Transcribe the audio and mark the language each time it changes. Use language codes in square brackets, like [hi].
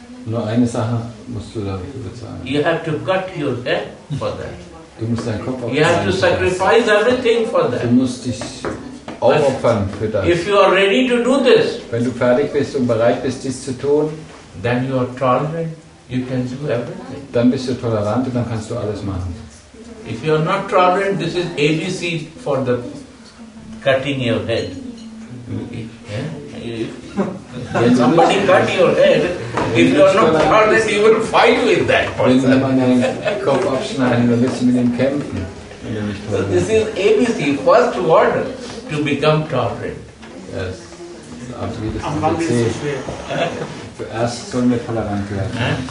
[de] Nur eine Sache musst du dafür bezahlen. [en] You have to cut your head for that. [de] Du musst deinen Kopf aufsetzen. [en] You have to sacrifice everything for that. [de] Du musst dich aufopfern für das. [en] If you are ready to do this, [de] wenn du fertig bist und bereit bist, dies zu tun, [en] then you are tolerant. You can do everything. [de] Dann bist du tolerant und dann kannst du alles machen. [en] If you are not tolerant, this is ABC for the cutting your head. Yeah? Somebody cut your head. If you are not tolerant, you will fight with that person. [de] Wenn man den Kopf abschneiden, dann willst du mit ihm kämpfen. [en] So this is ABC, first order, to become tolerant. Yes. [de] Am Anfang ist es schwer. Zuerst sollen wir tolerant werden.